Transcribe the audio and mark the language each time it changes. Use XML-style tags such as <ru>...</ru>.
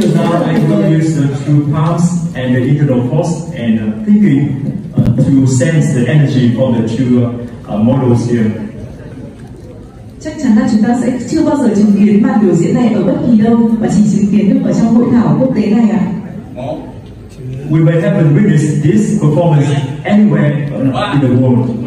<en>Palms and the internal force and thinking to sense the energy from the two models here.</en> <vi>Chắc chắn là chúng ta sẽ chưa bao giờ chứng kiến màn biểu diễn này ở bất kỳ đâu và chỉ chứng kiến được ở trong hội thảo quốc tế này ạ.</vi> <en>We may have witnessed this performance anywhere in the world.</en>